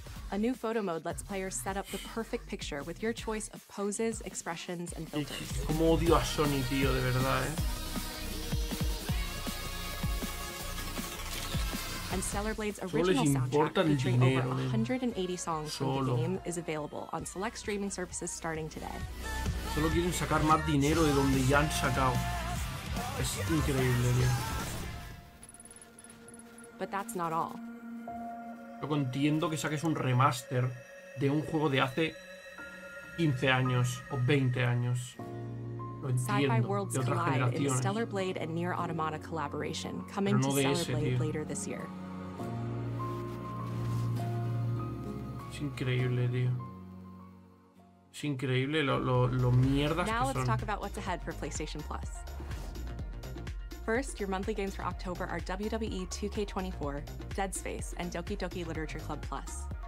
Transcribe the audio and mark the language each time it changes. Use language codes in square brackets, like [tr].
[en] A new photo mode lets players set up the perfect picture with your choice of poses, expressions, and filters. [es] Como odio a Sony, tío, de verdad, eh. [en] And Stellar Blade's original soundtrack, featuring over 180 songs from the game, is available on select streaming services starting today. [es] Solo quieren sacar más dinero de donde ya han sacado. Es increíble, tío. [en] But that's not all. [es] Yo entiendo que saques un remaster de un juego de hace 15 años o 20 años. Lo entiendo, de otras generaciones. [en] Stellar Blade and Nier Automata collaboration coming to Stellar Blade later this year. [es] Es increíble, tío. Es increíble lo mierdas que son. [en] Now let's talk about what's ahead for PlayStation Plus. First, your monthly games for October are WWE 2K24, Dead Space, and Doki Doki Literature Club Plus.